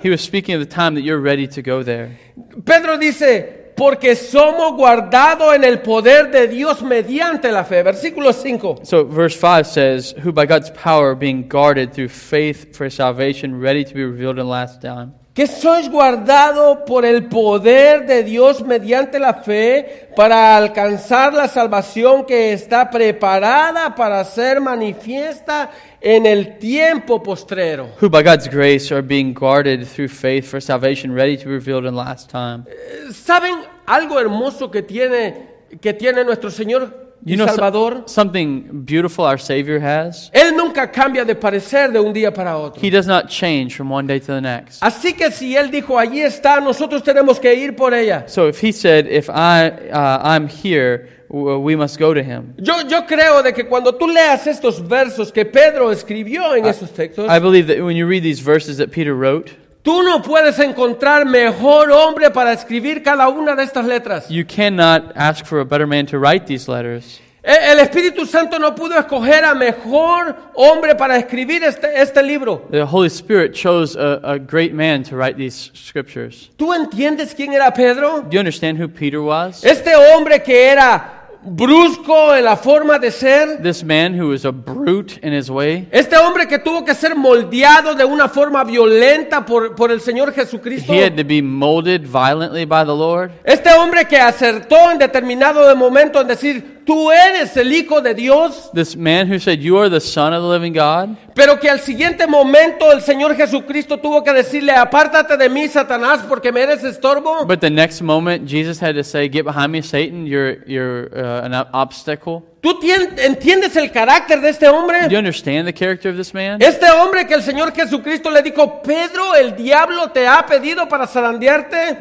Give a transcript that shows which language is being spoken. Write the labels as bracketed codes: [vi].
[en] He was speaking of the time that you're ready to go there. [es] Pedro dice, porque somos guardados en el poder de Dios mediante la fe. Versículo 5. [en] So verse 5 says, who by God's power being guarded through faith for salvation, ready to be revealed in the last time. [es] Que sois guardado por el poder de Dios mediante la fe para alcanzar la salvación que está preparada para ser manifiesta en el tiempo postrero. [en] Who by God's grace are being guarded through faith for salvation ready to be revealed in last time. [es] ¿Saben algo hermoso que tiene nuestro Señor? [en] You know, [es] Salvador, [en] something beautiful our Savior has. [es] Él nunca cambia de parecer de un día para otro. [en] He does not change from one day to the next. [es] Así que si Él dijo, allí está, nosotros tenemos que ir por ella. [en] So if he said, if I'm here, we must go to him. [es] Yo creo de que cuando tú leas estos versos que Pedro escribió en esos textos. [en] I believe that when you read these verses that Peter wrote. [es] Tú no puedes encontrar mejor hombre para escribir cada una de estas letras. [en] You cannot ask for a better man to write these letters. [es] El Espíritu Santo no pudo escoger a mejor hombre para escribir este libro. [en] The Holy Spirit chose a great man to write these scriptures. [es] ¿Tú entiendes quién era Pedro? [en] Do you understand who Peter was? [es] Este hombre que era brusco en la forma de ser. [en] This man who is a brute in his way. [es] Este hombre que tuvo que ser moldeado de una forma violenta por el Señor Jesucristo. [en] He had to be molded violently by the Lord. [es] Este hombre que acertó en determinado momento en decir, tú eres el Hijo de Dios. [en] This man who said, you are the Son of the living God. [es] Pero que al siguiente momento el Señor Jesucristo tuvo que decirle, apártate de mí, Satanás, porque me eres estorbo. [en] But the next moment, Jesus had to say, get behind me, Satan, you're an obstacle. [es] ¿Tú entiendes el carácter de este hombre? [en] Do you understand the character of this man? [es] Este hombre que el Señor Jesucristo le dijo, Pedro, el diablo te ha pedido para zarandearte.